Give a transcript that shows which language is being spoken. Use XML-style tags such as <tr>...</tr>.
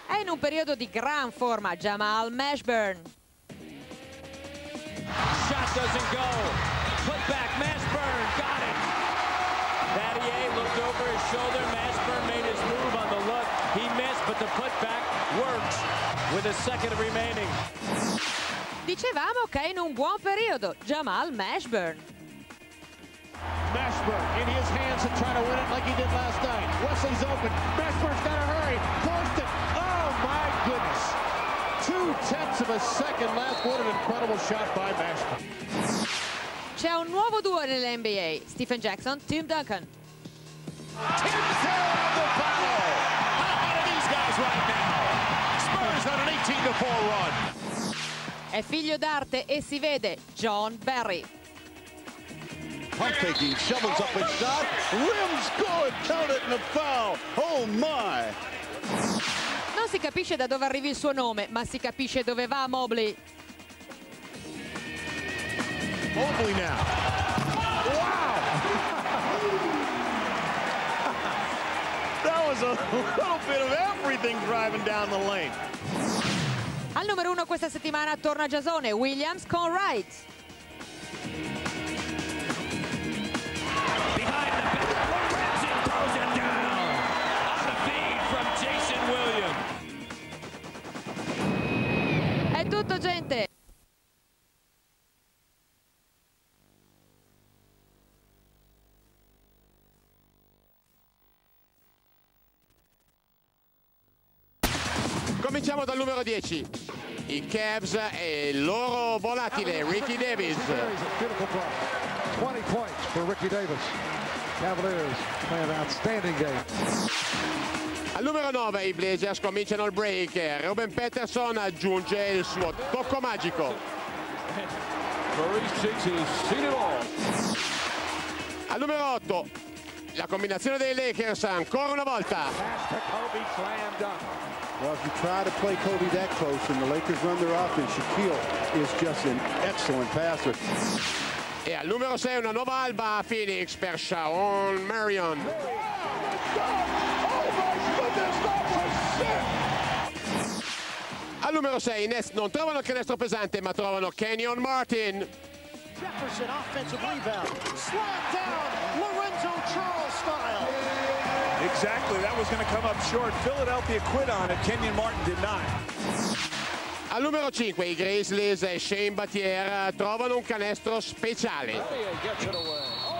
<it>un periodo di gran forma, Jamal Mashburn.</it> <en>Shot doesn't go. Put back, Mashburn, got it. Battier looked over his shoulder, Mashburn made his move on the look. He missed, but the put back works with a second remaining.</en> <it>Dicevamo che in un buon periodo, Jamal Mashburn.</it> <en>Mashburn in his hands to try to win it like he did last night. Wesley's open. Mashburn's got to hurry. Forced it. Oh, my goodness. 2/10 of a second left. What an incredible shot by Mashburn.</en> <it>C'è un nuovo duo nell'NBA. Stephen Jackson, Tim Duncan.</it> <en>Tim Duncan on the foul. How hot are these guys right now? Spurs on an 18-4 run.</en> <it>È figlio d'arte e si vede, John Barry.</it> <en>Pump faking, shovels up a shot, rims good, count it and a foul, oh my!</en> <it>Non si capisce da dove arrivi il suo nome, ma si capisce dove va Mobley.</it> <en>Mobley now. Wow! That was a little bit of everything driving down the lane.</en> <it>Al numero uno questa settimana torna Giasone, Williams con Wright. È tutto, gente! Cominciamo dal numero 10. I Cavs e il loro volatile, Ricky Davis.</it> <en>20 points for Ricky Davis. Cavaliers play an outstanding game.</en> <it>Al numero 9 i Blazers cominciano il break. Ruben Patterson aggiunge il suo tocco magico. Al numero 8 la combinazione dei Lakers ancora una volta.</it> <en>Well, if you try to play Kobe that close and the Lakers run their offense, Shaquille is just an excellent passer.</en> <it>E al numero 6 una nuova alba a Phoenix per Shaun Marion. Al numero 6 i Nets non trovano il canestro pesante, ma trovano Kenyon Martin.</it> <en>Jefferson offensive rebound. Slam down, Lorenzo Charles style. Exactly, that was going to come up short. Philadelphia quit on it, Kenyon Martin did not.</en> <it>Al numero 5 i Grizzlies e Shane Battier trovano un canestro speciale.</it>